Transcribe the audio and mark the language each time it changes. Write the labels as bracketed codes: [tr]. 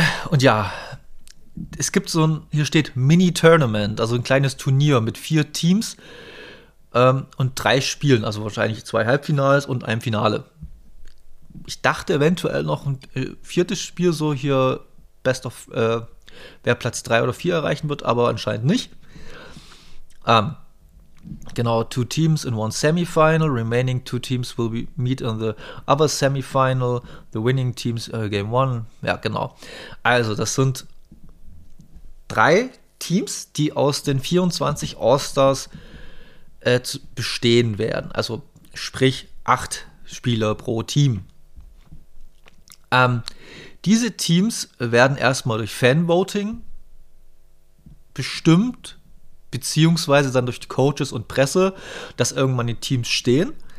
[de] Und ja, es gibt so ein, hier steht Mini-Tournament, also ein kleines Turnier mit 4 Teams und 3 Spielen, also wahrscheinlich 2 Halbfinals und einem Finale. Ich dachte eventuell noch ein 4. Spiel, so hier Best of, wer Platz 3 oder 4 erreichen wird, aber anscheinend nicht. [en] Genau, 2 Teams in 1 Semifinal, remaining 2 Teams will be meet in the other Semifinal, the winning Teams game 1. [de] Ja, genau. Also, das sind 3 Teams, die aus den 24 All-Stars bestehen werden. Also, sprich, 8 Spieler pro Team. Diese Teams werden erstmal durch Fanvoting bestimmt, beziehungsweise dann durch die Coaches und Presse, dass irgendwann die Teams stehen.